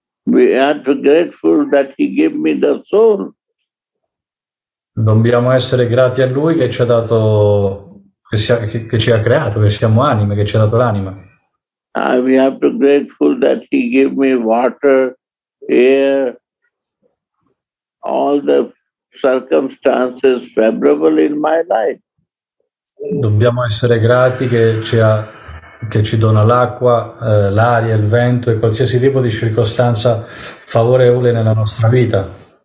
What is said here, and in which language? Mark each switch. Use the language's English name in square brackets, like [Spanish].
[English] We are to grateful that he gave me the soul. [Italian] Dobbiamo essere grati a lui che ci ha dato, che ci ha creato, che siamo anime, che ci ha dato l'anima. [English] We have to grateful that he gave me water, air, all the circumstances favorable in my life. [Italian] Dobbiamo essere grati che ci dona l'acqua, l'aria, il vento e qualsiasi tipo di circostanza favorevole nella nostra vita.